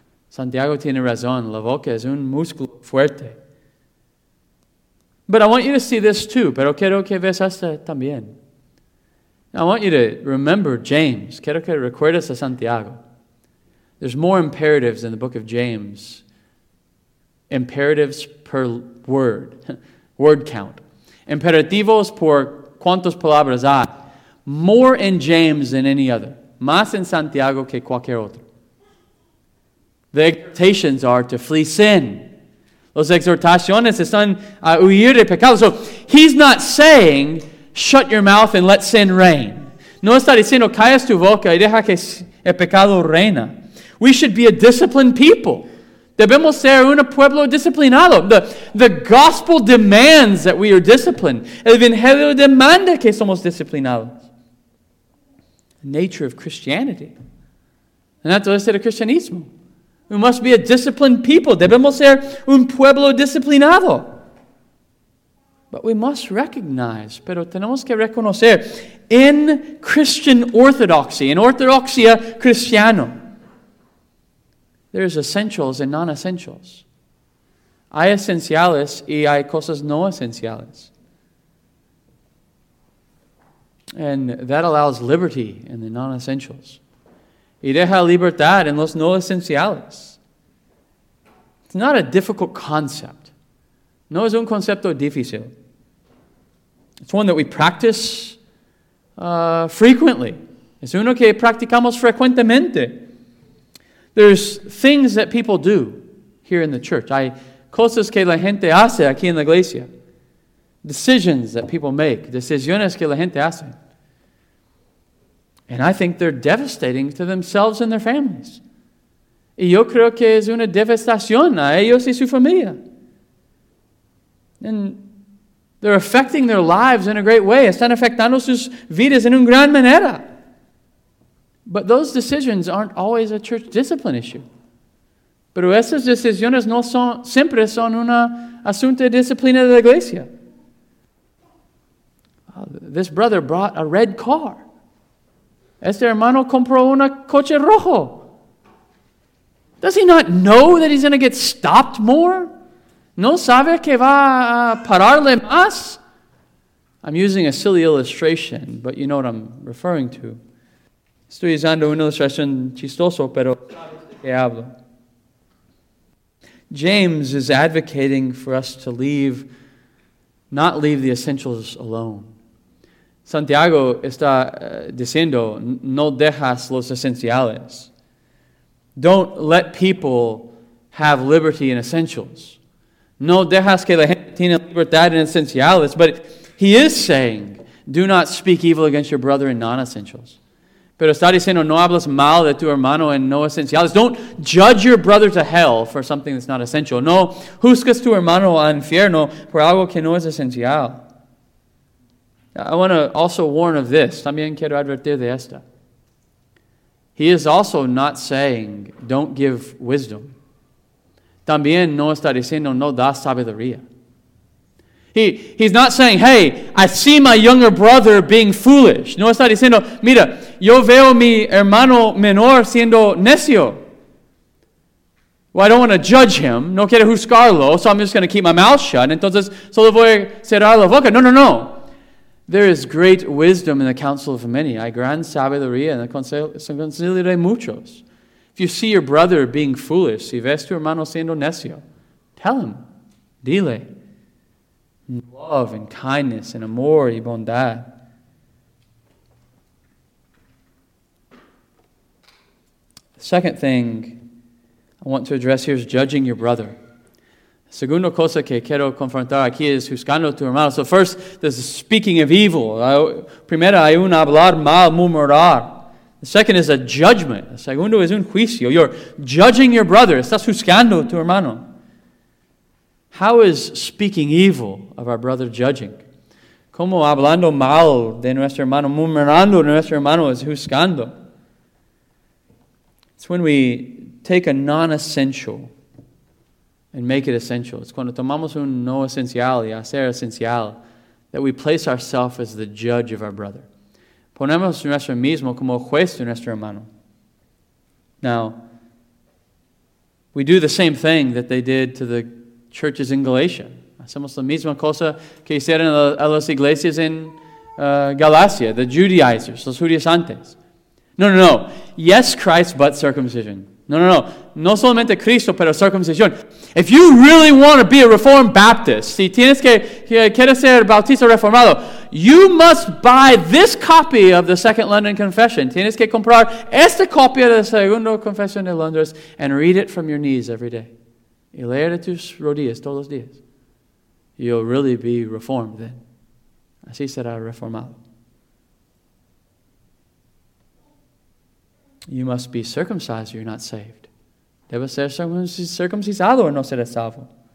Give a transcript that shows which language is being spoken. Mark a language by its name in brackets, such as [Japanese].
[Spanish] Santiago tiene razón. La boca es un músculo fuerte. [English] But I want you to see this too. [Spanish] Pero quiero que veas esto también. [English] I want you to remember James. [Spanish] Quiero que recuerdes a Santiago. [English] There's more imperatives in the book of James. Imperatives per word. Word count. [Spanish] Imperativos por cuantos palabras hay. [English] More in James than any other. [Spanish] Más en Santiago que cualquier otro. [English] The exhortations are to flee sin. [Spanish] Los exhortaciones están a huir de pecado. [English] So he's not saying, shut your mouth and let sin reign. [Spanish] No está diciendo, callas tu boca y deja que el pecado reina. [English] We should be a disciplined people. [Spanish] Debemos ser un pueblo disciplinado. [English] The gospel demands that we are disciplined. [Spanish] El evangelio demanda que somos disciplinados. [English] The nature of Christianity. [Spanish] La naturaleza del cristianismo. [English] We must be a disciplined people. [Spanish] Debemos ser un pueblo disciplinado. [English] But we must recognize, [Spanish] pero tenemos que reconocer, [English] in Christian orthodoxy, in [Spanish] ortodoxia cristiano, [English] there's essentials and non-essentials. [Spanish] Hay esenciales y hay cosas no esenciales. [English] And that allows liberty in the non-essentials. [Spanish] Y deja libertad en los no esenciales. [English] It's not a difficult concept. [Spanish] No es un concepto difícil. [English] It's one that we practice frequently. [Spanish] Es uno que practicamos frecuentemente. [English] There's things that people do here in the church. [Spanish] Hay cosas que la gente hace aquí en la iglesia. [English] Decisions that people make. [Spanish] Decisiones que la gente hace. [English] And I think they're devastating to themselves and their families. [Spanish] Y yo creo que es una devastación a ellos y su familia. [English] And they're affecting their lives in a great way. [Spanish] Están afectando sus vidas en una gran manera. [English] But those decisions aren't always a church discipline issue. [Spanish] Pero esas decisiones no son, siempre son una asunto de disciplina de la iglesia. [English] This brother brought a red car. [Spanish] Este hermano compró un coche rojo. [English] Does he not know that he's going to get stopped more? [Spanish] ¿No sabe que va a pararle más? [English] I'm using a silly illustration, but you know what I'm referring to. [Spanish] Estoy usando una ilustración chistoso, pero que hablo. [English] James is advocating for us to not leave the essentials alone. [Spanish] Santiago está diciendo, no dejas los esenciales. [English] Don't let people have liberty in essentials. [Spanish] No dejas que la gente tiene libertad en esenciales. [English] But he is saying, do not speak evil against your brother in non-essentials. [Spanish] Pero está diciendo, no hablas mal de tu hermano en no esenciales. [English] Don't judge your brother to hell for something that's not essential. [Spanish] No juzgas tu hermano al infierno por algo que no es esencial. [English] I want to also warn of this. [Spanish] También quiero advertir de esta. [English] He is also not saying, don't give wisdom. [Spanish] También no está diciendo, no das sabiduría. [English] He's not saying, hey, I see my younger brother being foolish. [Spanish] No está diciendo, mira, yo veo mi hermano menor siendo necio. [English] Well, I don't want to judge him. [Spanish] No quiero juzgarlo, [English] so I'm just going to keep my mouth shut. [Spanish] Entonces, solo voy a cerrar la boca. [English] No. There is great wisdom in the counsel of many. [Spanish] Hay gran sabiduría en el consejo de muchos. [English] If you see your brother being foolish, [Spanish] si ves tu hermano siendo necio, [English] tell him, [Spanish] dile. [English] Love and kindness and [Spanish] amor y bondad. [English] The second thing I want to address here is judging your brother. [Spanish] Segunda cosa que quiero confrontar aquí es juzgando a tu hermano. [English] So first, there's a speaking of evil. [Spanish] Primero, hay un hablar mal, murmurar. [English] The second is a judgment. [Spanish] El segundo es un juicio. [English] You're judging your brother. [Spanish] Estás juzgando a tu hermano. [English] How is speaking evil of our brother judging? [Spanish] ¿Cómo hablando mal de nuestro hermano, murmurando de nuestro hermano es juzgando? [English] It's when we take a non-essential and make it essential. It's [Spanish] cuando tomamos un no esencial y hacer esencial [English] that we place ourselves as the judge of our brother. [Spanish] Ponemos nuestro mismo como juez de nuestro hermano. [English] Now, we do the same thing that they did to the churches in Galatia. [Spanish] Hacemos la misma cosa que hicieron a las iglesias en Galacia, [English] the Judaizers, [Spanish] los judaizantes. [English] No. Yes, Christ, but circumcision. [Spanish] No. No solamente Cristo, pero circuncisión. [English] If you really want to be a Reformed Baptist, [Spanish] si tienes que quieres ser bautista reformado, [English] you must buy this copy of the Second London Confession. [Spanish] Tienes que comprar esta copia de la Segunda Confesión de Londres [English] and read it from your knees every day. [Spanish] Y leer de tus rodillas todos los días. [English] You'll really be reformed then. [Spanish] Así será reformado. [English] You must be circumcised or you're not saved. [Spanish] Debe ser circuncisado o no será salvo.